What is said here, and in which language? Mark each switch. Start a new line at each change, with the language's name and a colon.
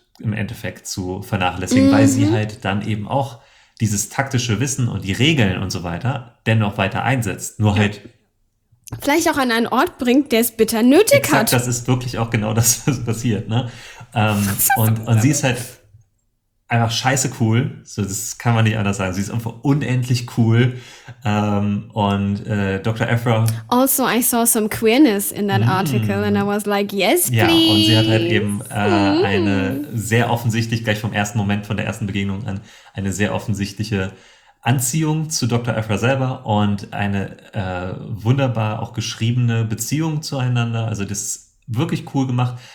German: im Endeffekt zu vernachlässigen, mhm. weil sie halt dann eben auch dieses taktische Wissen und die Regeln und so weiter dennoch weiter einsetzt. Nur halt vielleicht auch an einen Ort bringt, der es bitter nötig exakt, hat. Das ist wirklich auch genau das, was passiert. Ne? Und sie ist halt einfach scheiße cool. So, das kann man nicht anders sagen. Sie ist einfach unendlich cool. Dr. Aphra.
English: Also, I saw some queerness in that article and I was like, yes, please.
German: Ja, und sie hat halt eben eine sehr offensichtlich, gleich vom ersten Moment, von der ersten Begegnung an, eine sehr offensichtliche Anziehung zu Dr. Aphra selber und eine wunderbar auch geschriebene Beziehung zueinander. Also, das ist wirklich cool gemacht.